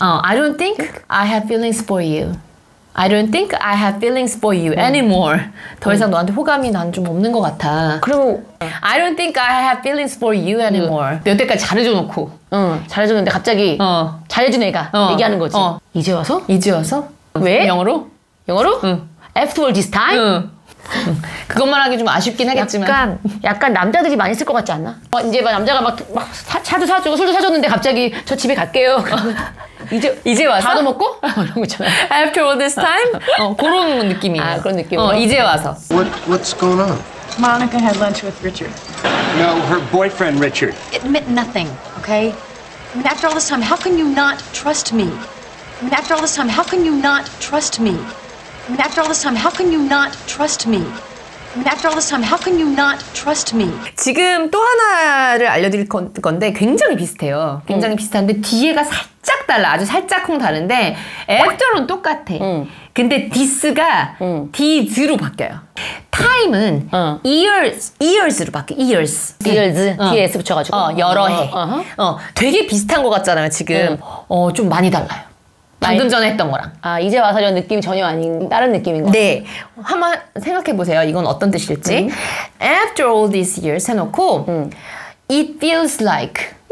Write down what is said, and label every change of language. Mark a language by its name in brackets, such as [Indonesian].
[English] I don't think I have feelings for you. I don't think I have feelings for you anymore. [Korean] 더 이상 너한테 호감이 난 좀 없는 것 같아. 그럼 [English] I don't think I have feelings for you anymore. [Korean] 여태까지 잘해줘놓고. 잘해줬는데 갑자기 잘해준 애가 얘기하는 거지. 이제 와서? 이제 와서? 왜? 영어로? 영어로? [English] After all this time? [Korean] 그것만 하기 좀 아쉽긴 하겠지만 약간 남자들이 많이 쓸 것 같지 않나? 이제 막 남자가 막 차도 사주고 술도 사줬는데 갑자기 저 집에 갈게요. 이제 와서? 밥도 먹고? 이런 거 있잖아. [English] After all this time? [Korean] 그런 느낌이에요. 그런 느낌으로. 이제 와서. [English] What's going on? Monica had lunch with Richard. No, her boyfriend Richard. It meant nothing, okay? I mean, after all this time, how can you not trust me? I mean, after all this time, how can you not trust me? I mean, after all this time, how can you not trust me? I mean, after all this time, how can you not trust me? [Korean] 지금 또 하나를 알려드릴 건데 굉장히 비슷해요. 굉장히 비슷한데 뒤에가 살짝 달라. 아주 살짝쿵 다른데 after는 똑같아. 근데 this가 this로 바뀌어요. time은 years로 바뀌어. years. ds 붙여가지고. 여러 해. 되게 비슷한 것 같잖아요, 지금. 좀 많이 달라요. 방금 전에 했던 거랑. 이제 와서 이런 느낌이 전혀 아닌 다른 느낌인 거 같아요. 네. 한번 생각해 보세요. 이건 어떤 뜻일지. [English] After all these years [Korean] 해놓고 [English] it feels like